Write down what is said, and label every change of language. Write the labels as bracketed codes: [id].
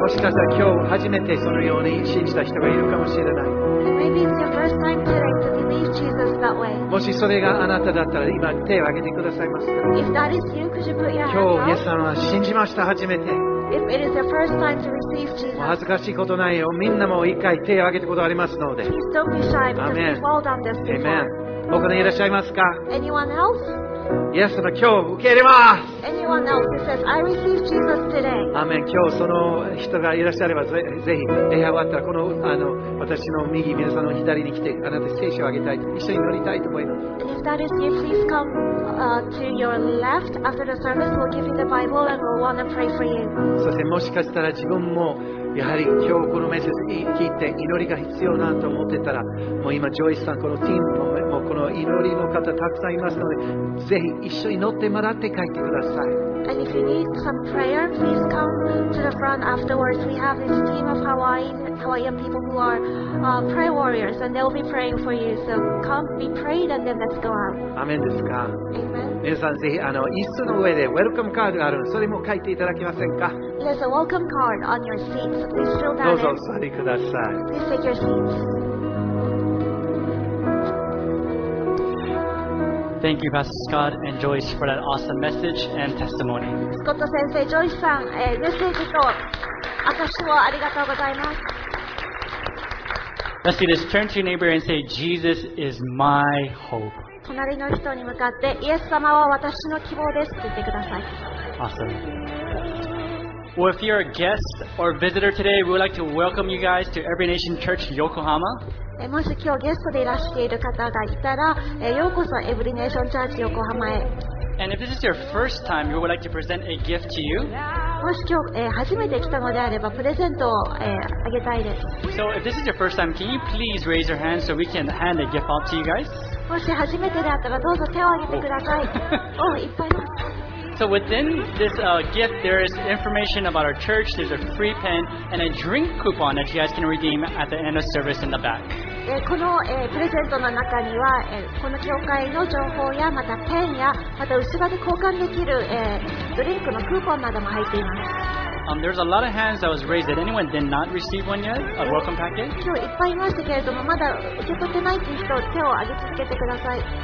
[ja] もしかしたら今日初めてそのように信じた人がいるかもしれない。 [en] Maybe it's your first time today to believe Jesus that way. [ja] もしそれがあなただったら今手を挙げてくださいますか。 [en] If that is you, could you put your hand up? [ja] 今日イエス様は信じました初めて。 [en] If it is your first time to receive Jesus. [ja] もう恥ずかしいことないよ。みんなも一回手を挙げてことありますので。 [en] Please don't be shy because we've all done this before. Amen. [ja] 他にいらっしゃいますか [en] Anyone else? [ja] イエス様今日受け入れます [en] Anyone else who says, I receive Jesus today. [ja] アーメン今日その人がいらっしゃればぜひ礼拝終わったらこの、私の右皆さんの左に来てあなた聖書をあげたい一緒に乗りたいと思います [en] And if that is you, please come, to your left after the service. We'll give you the Bible and we'll want to pray for you. [ja] そしてもしかしたら自分もやはり今日このメッセージ聞いて祈りが必要なと思ってたらもう今ジョイスさんこのティーンもこの祈りの方たくさんいますのでぜひ一緒に乗ってもらって帰ってください [en] And if you need some prayer please come to the front afterwards We have this team of Hawaiian people who are prayer warriors and they'll be praying for you So come be prayed and then let's go out [ja] アメンですか [en] Amen [ja] 皆さんぜひ椅子の上でウェルカムカードがあるのそれも書いていただけませんか [en] There's a welcome card on your seat, so please fill that in. [ja] どうぞ座りください。 [en] Please take your seats. Thank you, Pastor Scott and Joyce, for that awesome message and testimony. [ja] Scott 先生、Joyce さん、メッセージと証しをありがとうございます。 [en] Let's see this. Turn to your neighbor and say, Jesus is my hope. [ja] 隣の人に向かって、イエス様は私の希望ですと言ってください。 [en] Awesome. Well, if you're a guest or visitor today, we would like to welcome you guys to Every Nation Church Yokohama. [ja] もし今日ゲストでいらしている方がいたら、ようこそ Every Nation Church Yokohama へ。 [en] And if this is your first time, we would like to present a gift to you. [ja] もし今日、初めて来たのであればプレゼントを、あげたいです。 [en] So if this is your first time, can you please raise your hand so we can hand a gift out to you guys? [ja] もし初めてであったらどうぞ手を挙げてください。お、いっぱいいます。 [en] So within this、gift, there is information about our church. There's a free pen and a drink coupon that you guys can redeem at the end of service in the back. [ja] この、プレゼントの中には、この教会の情報やまたペンやまた後ろで交換できる、ドリンクのクーポンなども入っています。 [en] There's a lot of hands that was raised. Did anyone did not receive one yet? A welcome packet? [ja] 今日いっぱいいましたけれども、まだ受け取ってないという人、手を挙げ続けてください。